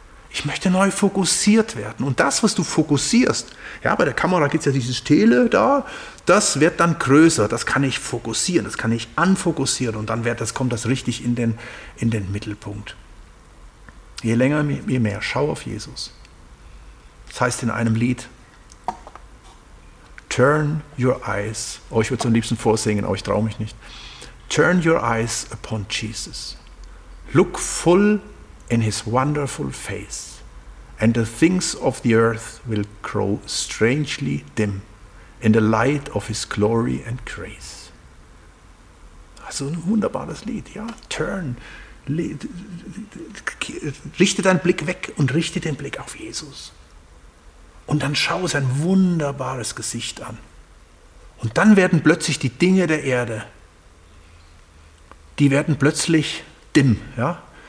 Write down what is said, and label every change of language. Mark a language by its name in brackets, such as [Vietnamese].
[German] Ich möchte neu fokussiert werden. Und das, was du fokussierst, ja, bei der Kamera gibt es ja dieses Tele da, das wird dann größer, das kann ich fokussieren, das kann ich anfokussieren und dann kommt das richtig in den Mittelpunkt. Je länger, je mehr. Schau auf Jesus. Das heißt in einem Lied, [English] Turn your eyes, [German] oh, ich würde es am liebsten vorsingen, aber ich traue mich nicht. [English] Turn your eyes upon Jesus. Look full in his wonderful face. And the things of the earth will grow strangely dim in the light of his glory and grace. [German] Also ein wunderbares Lied, ja. Turn, richte deinen Blick weg und richte den Blick auf Jesus. Und dann schau sein wunderbares Gesicht an. Und dann werden plötzlich die Dinge der Erde, die werden plötzlich dimm, ja?